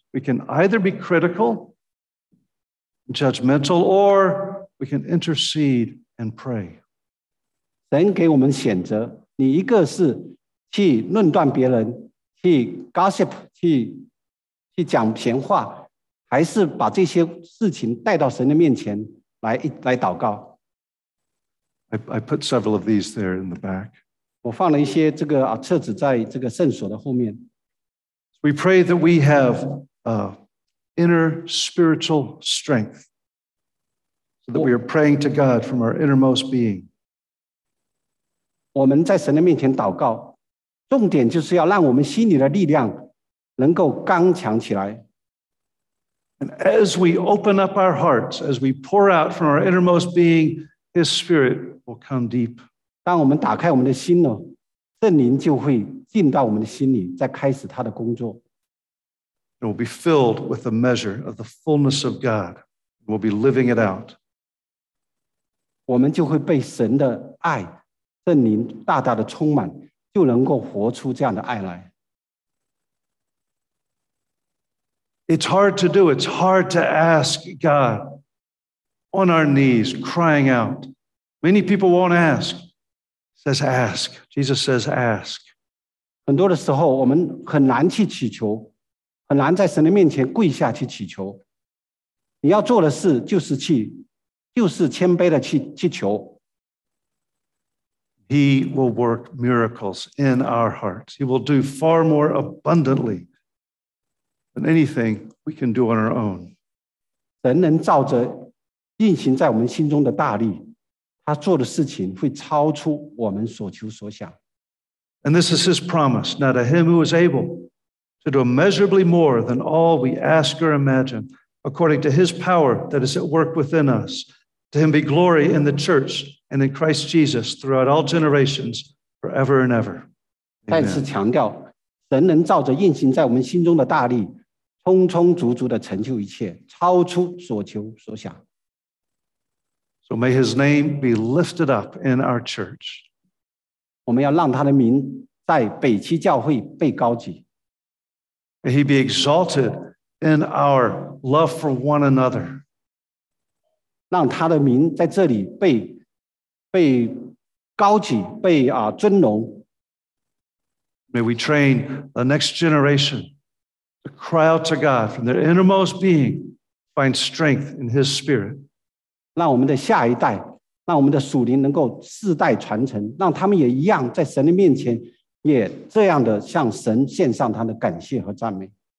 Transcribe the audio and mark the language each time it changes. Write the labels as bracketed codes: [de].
[en] We can either be critical, judgmental, or we can intercede and pray. [zh] 神给我们选择，你一个是去论断别人，去 gossip, 去讲闲话，还是把这些事情带到神的面前来祷告。 [en] I put several of these there in the back. [zh] 我放了一些这个册子在这个圣所的后面。 [en] We pray that we have inner spiritual strength, so that we are praying to God from our innermost being. [zh] 我们在神的面前祷告，重点就是要让我们心里的力量能够刚强起来。 [en] And as we open up our hearts, as we pour out from our innermost being, His Spirit will come deep. [zh] 当我们打开我们的心呢，圣灵就会进到我们的心里，再开始他的工作。 [en] It will be filled with the measure of the fullness of God. We'll be living it out. [zh] 我们就会被神的爱圣灵大大的充满，就能够活出这样的爱来。 [en] It's hard to do. It's hard to ask God on our knees, crying out. Many people won't ask. Says ask. Jesus says ask. [zh] 很多的时候，我们很难去祈求，很难在神的面前跪下去祈求。你要做的事就是去，就是谦卑的去求。 [en] He will work miracles in our hearts. He will do far more abundantly than anything we can do on our own. [zh] 神能照着运行在我们心中的大力，他做的事情会超出我们所求所想。 [en] And this is his promise. Now to him who is able to do immeasurably more than all we ask or imagine, according to his power that is at work within us, to him be glory in the church and in Christ Jesus throughout all generations, forever and ever. [zh] 再次强调，神能照着运行在我们心中的大力，充充足足的成就一切，超出所求所想。 [en] So may his name be lifted up in our church. [zh] 我们要让他的名在北区教会被高举。 [en] May he be exalted in our love for one another. [zh] 让他的名在这里被高举，被尊荣。 [en] May we train the next generation to cry out to God from their innermost being, find strength in His Spirit. [zh] 让我们的下一代，让我们的属灵能够世代传承，让他们也一样在神的面前，也这样的向神献上他的感谢和赞美。